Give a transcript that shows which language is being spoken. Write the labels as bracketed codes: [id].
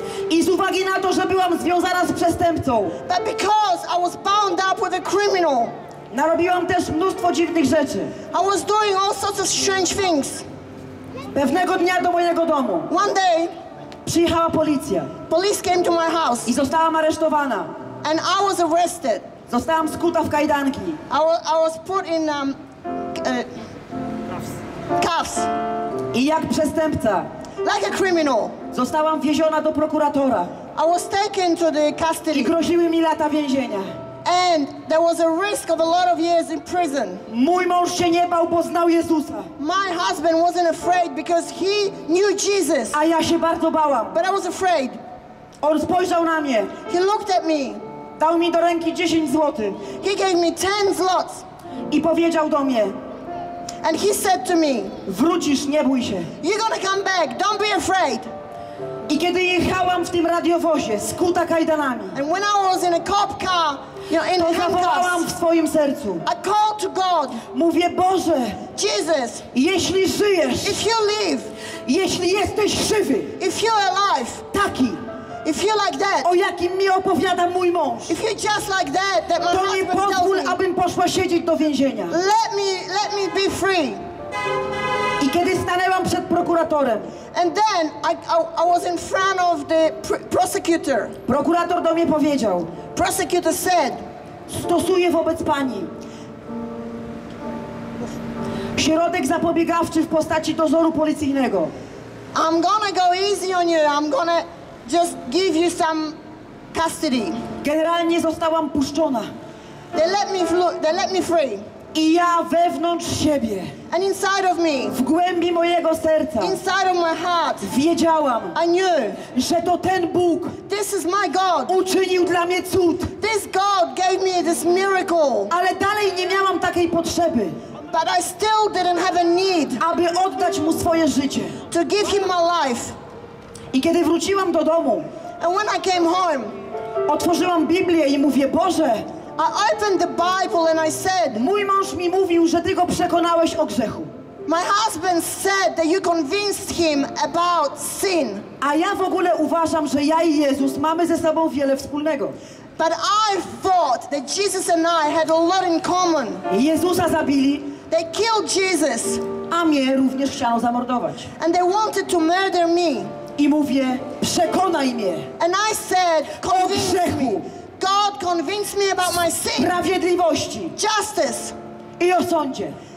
[pl] I z uwagi na to, że byłam związana z przestępcą. [en] But because I was bound up with a criminal. [pl] Narobiłam też mnóstwo dziwnych rzeczy. [en] I was doing all sorts of strange things. [pl] Pewnego dnia do mojego domu. [en] One day. [pl] Przyjechała policja. [en] Police came to my house. [pl] I zostałam aresztowana. [en] And I was arrested. [pl] Zostałam skuta w kajdanki. [en] I was put in cuffs. [pl] I jak przestępca. [en] Like a criminal. [pl] Zostałam wieziona do prokuratora. [en] I was taken to the custody. [pl] I groziły mi lata więzienia. [en] And there was a risk of a lot of years in prison. [pl] Mój mąż się nie bał, bo znał Jezusa. [en] My husband wasn't afraid because he knew Jesus. [pl] A ja się bardzo bałam. [en] But I was afraid. [pl] On spojrzał na mnie. [en] He looked at me. [pl] Dał mi do ręki 10 zł. [en] He gave me 10 zlots. [pl] I powiedział do mnie. [en] And he said to me. [pl] Wrócisz, nie bój się. [en] You're gonna come back, don't be afraid. [pl] I kiedy jechałam w tym radiowozie, skuta kajdanami. [en] And when I was in a cop car, you know, in handcuffs. [pl] To zawołałam w swoim sercu. [en] I called to God. [pl] Mówię, Boże. [en] Jesus. [pl] Jeśli żyjesz. [en] If you live. [pl] Jeśli jesteś żywy. [en] If you're alive. [pl] Taki. [en] If you're like that. [pl] O jakim mi opowiada mój mąż. [en] If you're just like that my [pl] to nie pozwól, abym poszła siedzieć do więzienia. [en] Let me be free. [pl] I kiedy stanęłam przed prokuratorem. [en] And then I was in front of the prosecutor. [pl] Prokurator do mnie powiedział. [en] Prosecutor said. [pl] Stosuję wobec pani. Środek zapobiegawczy w postaci dozoru policyjnego. [en] I'm gonna go easy on you. I'm gonna just give you some custody. [pl] Generalnie zostałam puszczona. [en] They let me free. [pl] I ja wewnątrz siebie. [en] And inside of me. [pl] W głębi mojego serca. [en] Inside of my heart. [pl] Wiedziałam. [en] I knew. [pl] Że to ten Bóg. [en] This is my God. [pl] Uczynił dla mnie cud. [en] This God gave me this miracle. [pl] Ale dalej nie miałam takiej potrzeby. [en] But I still didn't have a need. [pl] Aby oddać mu swoje życie. [en] To give him my life. [pl] I kiedy wróciłam do domu. [en] And when I came home. [pl] otworzyłam Biblię i mówię, Boże, [en] I opened the Bible and I said, [pl] mój mąż mi mówił, że ty go przekonałeś o grzechu. [en] My husband said that you convinced him about sin. [pl] A ja w ogóle uważam, że ja i Jezus mamy ze sobą wiele wspólnego. [en] But I thought that Jesus and I had a lot in common. [pl] Jezusa zabili. [en] They killed Jesus. [pl] A mnie również chciano zamordować. [en] And they wanted to murder me. [pl] I mówię, przekonaj mnie. [en] And I said, convince me. God convinced me about my sin. [pl] Sprawiedliwości. [en] Justice. [pl] I o sądzie.